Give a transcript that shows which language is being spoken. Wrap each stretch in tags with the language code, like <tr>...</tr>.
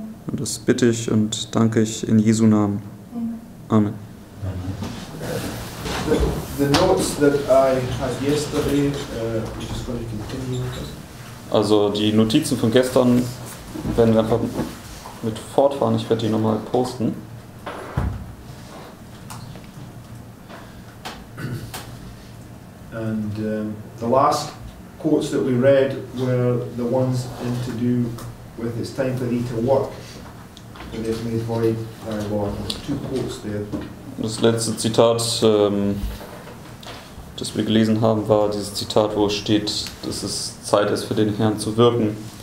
<de>Und das bitte ich und danke ich in Jesu Namen. Amen. Amen.</de> <en>The notes that I had yesterday, which is going to continue.</en> <de>Also die Notizen von gestern werden wir einfach mit fortfahren. Ich werde die nochmal posten.</de> <en>And the last quotes that we read were the ones in to do with it's time for thee to work. And it's made void thy word. There's two quotes there.</en> <de>Das letzte Zitat, das wir gelesen haben, war dieses Zitat, wo es steht, dass es Zeit ist, für den Herrn zu wirken.</de>